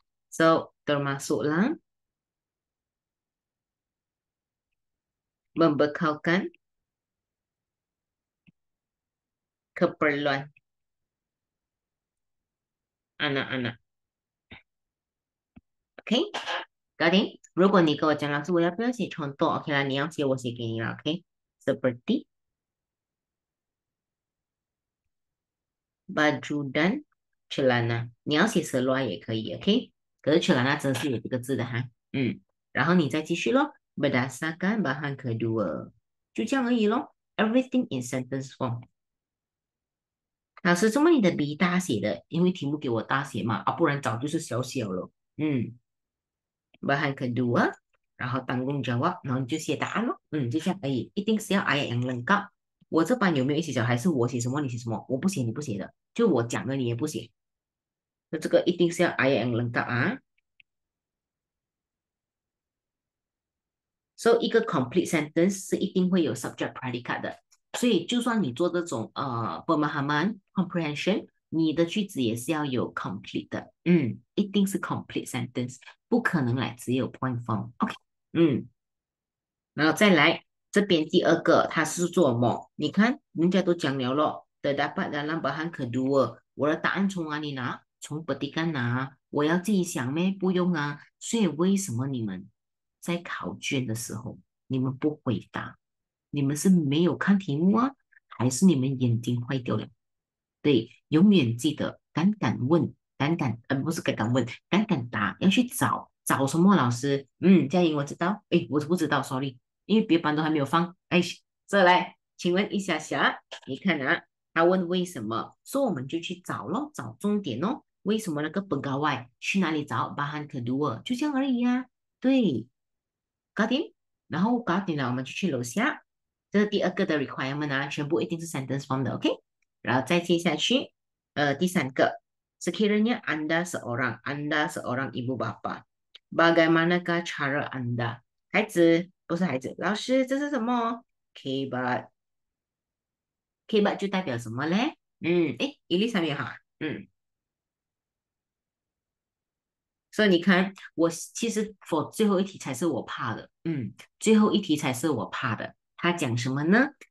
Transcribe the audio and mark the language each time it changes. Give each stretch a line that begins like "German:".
Malay: So termasuklah membekalkan keperluan anak-anak.
English: Okay, got it?
Chinese: 如果你跟我讲老师，我要不要写重读？OK 啦，你要写我写给你啦。
Malay: OK，seperti。 baju dan celana，
Chinese: 你要写 seluar 也可以，OK？可是 celana 真是有这个字的哈，然后你再继续咯，
Malay: berdasarkan bahan kedua，
Chinese: 就这样而已咯，
English: everything in sentence form。
Chinese: 老师，这么你的笔大写的，因为题目给我大写嘛，不然早就是小写了，
Malay: bahan kedua，
Chinese: 然后
Malay: tanggung jawab，
Chinese: 然后你就写答案咯，就这样而已，一定是要
Malay: ayat yang lengkap。
Chinese: 我这班有没有一起写？还是我写什么你写什么？我不写你不写的，就我讲的你也不写。那这个一定是要
English: I am
Chinese: 能够啊。 So 一个 complete sentence 是一定会有 subject predicate 的，所以就算你做这种permahaman comprehension，你的句子也是要有 complete 的，一定是 complete sentence，不可能来只有 point form。 OK，然后再来这边第二个，它是做么？你看人家都讲了咯，
English: the double the number hand can do work。
Chinese: 我的答案从哪里拿？从 body 干拿？我要自己想咩？不用啊。所以为什么你们在考卷的时候你们不回答？你们是没有看题目啊，还是你们眼睛坏掉了？对，永远记得敢敢问，敢敢，不是敢敢问，敢敢答，要去找，找什么老师？佳莹，我知道，哎，我不知道，sorry，因为别班都还没有放，哎，这来，请问一下下，你看啊，他问为什么，所以我们就去找咯，找重点哦，为什么那个本高外去哪里找？
Malay: Bahan kedua，
Chinese: 就这样而已啊，对，搞定，然后搞定了，我们就去楼下，这是第二个的 requirement 啊，全部一定是 sentence form 的，OK？
Malay: 然后再接下去，第三个，sekiranya anda seorang ibu bapa, bagaimanakah cara anda？
Chinese: 孩子，不是孩子，老师，这是什么？Kebab，Kebab 就代表什么嘞？诶，Elisa 你好，所以你看，我其实 for 最后一题才是我怕的，最后一题才是我怕的，他讲什么呢？